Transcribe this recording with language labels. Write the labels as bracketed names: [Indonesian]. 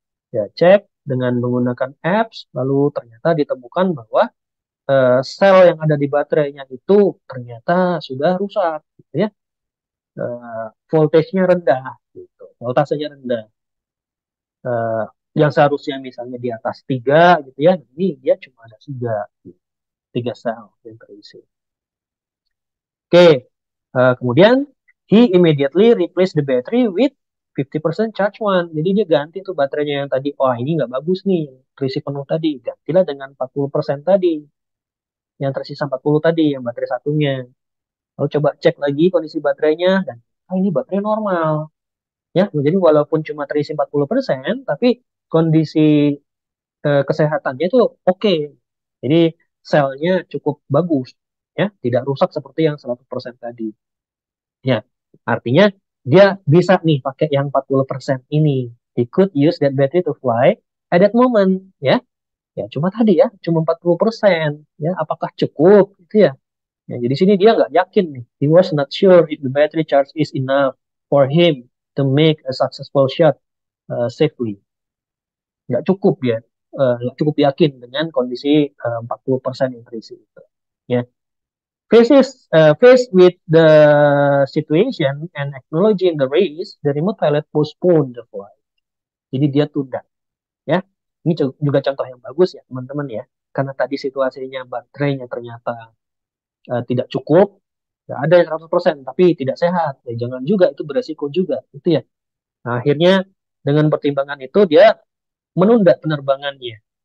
[Indonesian] Dia cek dengan menggunakan apps, lalu ternyata ditemukan bahwa sel yang ada di baterainya itu ternyata sudah rusak, gitu ya. Voltasenya rendah, gitu. Voltasenya rendah. Yang seharusnya misalnya di atas 3 gitu ya, ini dia cuma ada 3, gitu. 3 sel yang terisi. Oke, kemudian [English] he immediately replaced the battery with 50% charge one. [Indonesian] Jadi dia ganti tuh baterainya yang tadi, oh ini nggak bagus nih, terisi penuh tadi, gantilah dengan 40% tadi. Yang tersisa 40 tadi, yang baterai satunya. Lalu coba cek lagi kondisi baterainya, dan oh, ini baterai normal. Ya, jadi walaupun cuma terisi 40%, tapi kondisi kesehatannya itu oke. Jadi selnya cukup bagus, ya, tidak rusak seperti yang 100% tadi. Ya, artinya dia bisa nih pakai yang 40% ini. [English] He could use that battery to fly at that moment, ya. [Indonesian] Ya, cuma tadi ya, cuma 40%, ya, apakah cukup gitu ya. Ya, jadi sini dia nggak yakin nih. [English] He was not sure if the battery charge is enough for him to make a successful shot safely. [Indonesian] Nggak cukup ya. Nggak cukup yakin dengan kondisi 40% yang terisi itu. Ya. [English] Faced with the situation and acknowledging the race, the remote pilot postponed the flight. [Indonesian] Jadi dia tunda. Ya. Ini juga contoh yang bagus ya, teman-teman ya. Karena tadi situasinya baterainya ternyata tidak cukup, ya ada yang 100% tapi tidak sehat, ya jangan juga itu beresiko juga, gitu ya. Nah, akhirnya dengan pertimbangan itu dia menunda penerbangannya.